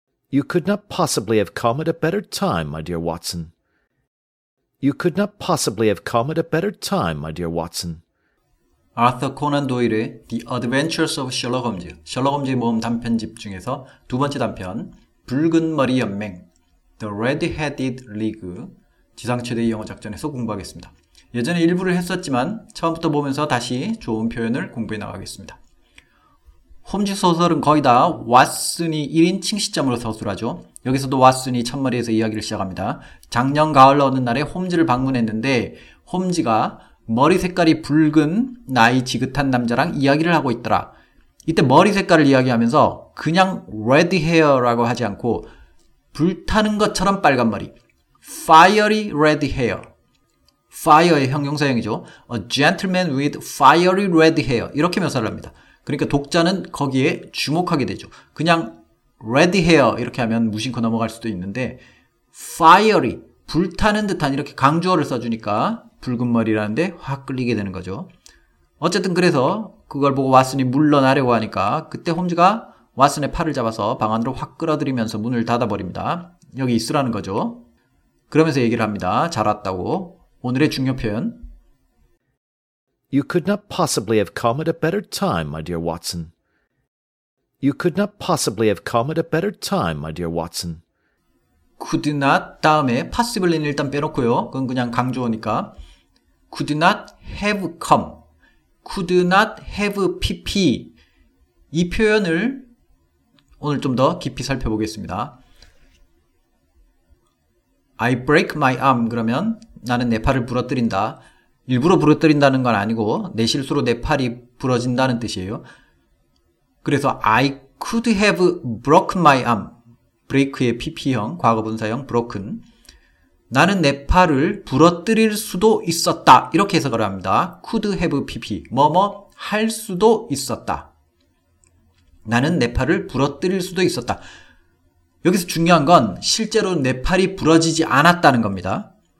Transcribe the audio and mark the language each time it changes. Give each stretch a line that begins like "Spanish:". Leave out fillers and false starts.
English: You could not possibly have come at a better time, my dear Watson. You could not possibly have come at a better time, my dear Watson.
Korean: Arthur Conan Doyle의 The Adventures of Sherlock Holmes, 셜록 홈즈의 모험 단편집 중에서 두 번째 단편, 붉은 머리 연맹, The Red-Headed League, 지상 최대의 영어 작전에서 공부하겠습니다. 예전에 일부를 했었지만 처음부터 보면서 다시 좋은 표현을 공부해 나가겠습니다. 홈즈 소설은 거의 다 왓슨이 1인칭 시점으로 서술하죠. 여기서도 왓슨이 첫머리에서 이야기를 시작합니다. 작년 가을 어느 날에 홈즈를 방문했는데 홈즈가 머리 색깔이 붉은 나이 지긋한 남자랑 이야기를 하고 있더라. 이때 머리 색깔을 이야기하면서 그냥 red hair라고 하지 않고 불타는 것처럼 빨간 머리,
English: fiery red hair,
Korean: fire의 형용사형이죠.
English: A gentleman with fiery red hair,
Korean: 이렇게 묘사를 합니다. 그러니까 독자는 거기에 주목하게 되죠. 그냥 red hair 이렇게 하면 무심코 넘어갈 수도 있는데 fiery, 불타는 듯한 이렇게 강조어를 써주니까 붉은 머리라는데 확 끌리게 되는 거죠. 어쨌든 그래서 그걸 보고 왓슨이 물러나려고 하니까 그때 홈즈가 왓슨의 팔을 잡아서 방 안으로 확 끌어들이면서 문을 닫아버립니다. 여기 있으라는 거죠. 그러면서 얘기를 합니다. 잘 왔다고. 오늘의 중요 표현.
English: You could not possibly have come at a better time, my dear Watson. You could not possibly have come at a better time, my dear Watson.
Korean: Could not 다음에 possibly는 일단 빼놓고요. 그건 그냥 강조니까.
English: Could not have come. Could not have pp.
Korean: 이 표현을 오늘 좀 더 깊이 살펴보겠습니다.
English: I break my arm.
Korean: 그러면 나는 내 팔을 부러뜨린다. 일부러 부러뜨린다는 건 아니고 내 실수로 내 팔이 부러진다는 뜻이에요.
English: 그래서 I could have broken my arm.
Korean: break의 pp형, 과거분사형 broken. 나는 내 팔을 부러뜨릴 수도 있었다. 이렇게 해석을 합니다. could have pp. 뭐뭐 할 수도 있었다. 나는 내 팔을 부러뜨릴 수도 있었다. 여기서 중요한 건 실제로 내 팔이 부러지지 않았다는 겁니다.